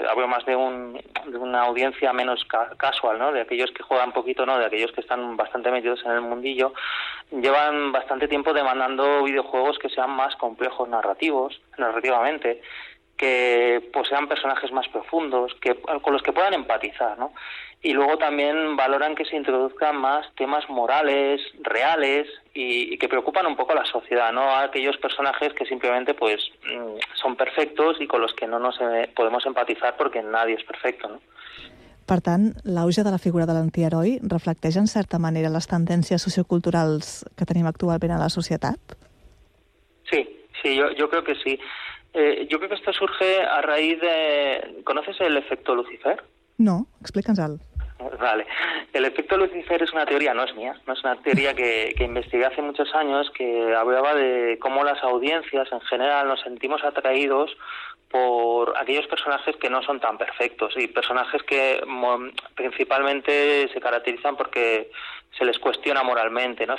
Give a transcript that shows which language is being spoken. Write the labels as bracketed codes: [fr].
[es] Hablo más de una audiencia menos casual, ¿no? De aquellos que juegan poquito, ¿no? De aquellos que están bastante metidos en el mundillo, llevan bastante tiempo demandando videojuegos que sean más complejos narrativamente, que posean personajes más profundos, con los que puedan empatizar, ¿no? Y luego también valoran que se introduzcan más temas morales, reales, y que preocupan un poco a la sociedad, ¿no? A aquellos personajes que simplemente pues son perfectos y con los que no nos podemos empatizar porque nadie es perfecto, ¿no? [ca] Per tant, l'auge de la figura de l'antiheroi reflecteix en certa manera les tendències socioculturals que tenim actualment a la societat? [es] Sí, Sí, yo creo que sí. Yo creo que esto surge a raíz de... ¿Conoces el efecto Lucifer? No, explícanos algo. Vale. El efecto Lucifer es una teoría, no es mía, no es una teoría que investigué hace muchos años, que hablaba de cómo las audiencias en general nos sentimos atraídos por aquellos personajes que no son tan perfectos y personajes que principalmente se caracterizan porque se les cuestiona moralmente, ¿no?